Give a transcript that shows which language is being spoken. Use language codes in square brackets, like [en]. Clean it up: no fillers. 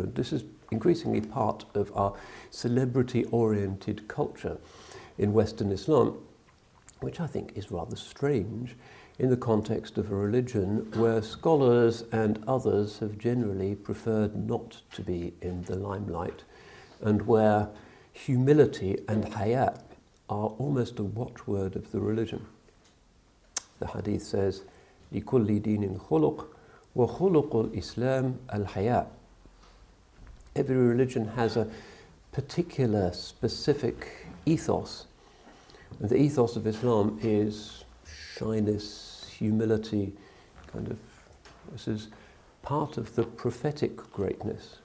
[en] And this is increasingly part of our celebrity-oriented culture in Western Islam, which I think is rather strange in the context of a religion where scholars and others have generally preferred not to be in the limelight, and where humility and haya are almost a watchword of the religion. [ar] The hadith says, لِكُلِّ دِينٍ خُلُقٍ وَخُلُقُ الْإِسْلَامِ الْحَيَاءِ. [en] Every religion has a particular, specific ethos. And the ethos of Islam is shyness, humility, kind of, this is part of the prophetic greatness.